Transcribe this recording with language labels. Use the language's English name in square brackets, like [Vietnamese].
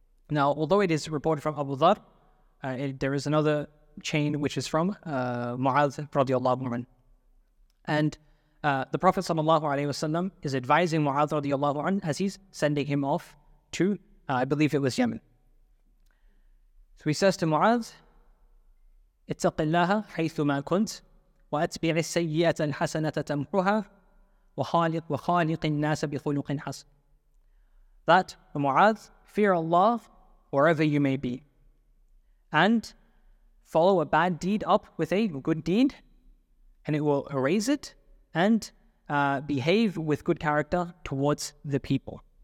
[English] Now, although it is reported from Abu Dharr, there is another chain which is from Mu'adh radiallahu anhu. And the Prophet sallallahu alayhi wasallam is advising Mu'adh radiallahu anhu as he's sending him off to, I believe it was Yemen. So he says to Mu'adh, [Arabic] اتق الله حيث ما كنت واتبع السيئة الحسنة تمحوها وخالق الناس بخلق حسن. [English] That, Mu'adh, fear Allah wherever you may be, and follow a bad deed up with a good deed, and it will erase it, and behave with good character towards the people.